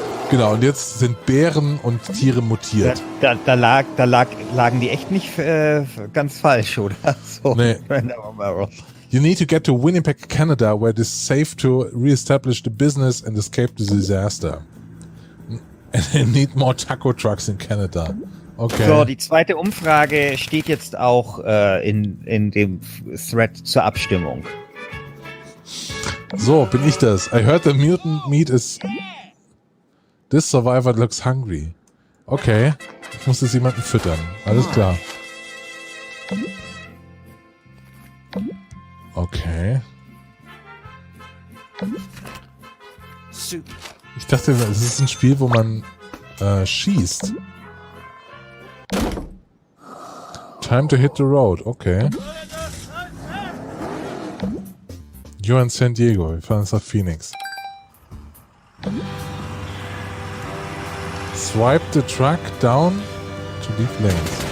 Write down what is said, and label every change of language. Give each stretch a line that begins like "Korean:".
German: Genau, und jetzt sind Bären und Tiere mutiert. Da lagen die echt nicht ganz falsch, oder? So, nee.
English: You need to get to Winnipeg, Canada, where it is safe to reestablish the business and escape the disaster. And they need more taco trucks in Canada. Okay.
German: So, die zweite Umfrage steht jetzt auch in dem Thread zur Abstimmung. So, bin ich das.
English: I heard the mutant meat is... This survivor looks hungry.
German: Okay, ich muss jetzt jemanden füttern. Alles klar. Okay. Ich dachte, es ist ein Spiel, wo man schießt.
English: Time to hit the road. Okay. You're in San Diego,
German: wir fahren uns nach Phoenix.
English: Swipe the truck down to leave lanes.